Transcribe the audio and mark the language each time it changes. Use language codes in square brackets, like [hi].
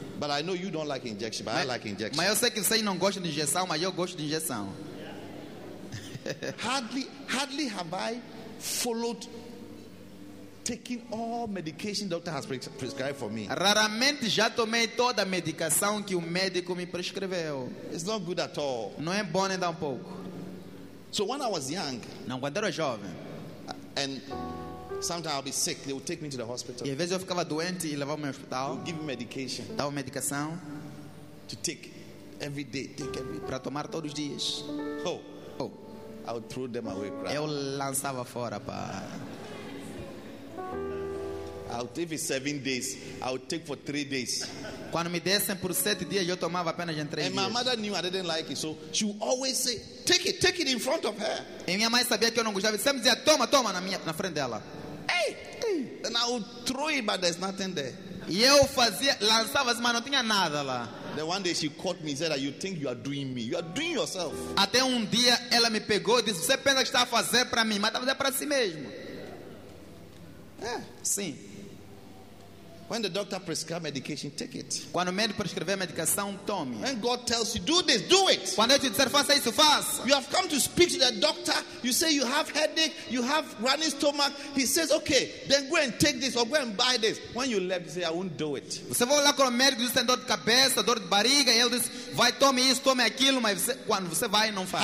[en] But I know you don't like injection, but I like injection. [pt] Mas eu sei que você não gosta de injeção, mas eu gosto de injeção. [en] Hardly have I followed taking all medication doctor has prescribed for me. [pt] Raramente já tomei toda a medicação que o médico me prescreveu. [en] It's not good at all. [pt] Não é bom nem um pouco. [en] So when I was young, [pt] não, quando era jovem, [en] and sometimes I'll be sick, they would take me to the hospital. [pt] E às vezes eu ficava doente e levava-me ao hospital. [en] They'll give me medication. [pt] Dava medicação [en] to take every day, take every [pt] para tomar todos os dias. [en] Oh. I would throw them away, crap. [pt] Eu lançava fora, pá. [en] I'll take it 7 days. I'll take for 3 days. [pt] Quando me dessem por 7 dias, eu tomava apenas em 3 dias. [en] And my mother knew I didn't like it, so she would always say, take it in front of her. [pt] E minha mãe sabia que eu não gostava. Sempre dizia, toma, toma, na frente dela. [en] Hey! And I would throw it, but there's nothing there. [pt] E eu fazia, lançava, mas não tinha nada lá. [en] Then one day she caught me and said, you think you are doing me? You are doing yourself. [pt] Até dia ela me pegou e disse, você pensa que está a fazer para mim, mas está a fazer para si mesmo. [en] Yeah. [pt] Sim. [en] When the doctor prescribes medication, take it. [pt] Quando o médico prescrever medicação, tome. [en] When God tells you, do this, do it. [pt] Quando ele te disser, faça isso, faça. [en] You have come to speak to the doctor. You say you have headache, you have running stomach. He says, okay, then go and take this or go and buy this. When you left, you say, I won't do it. [pt] Você vai lá com o médico, você tem dor de cabeça, dor de barriga, e ele diz, vai, tome isso, tome aquilo, mas você, quando você vai, não faz.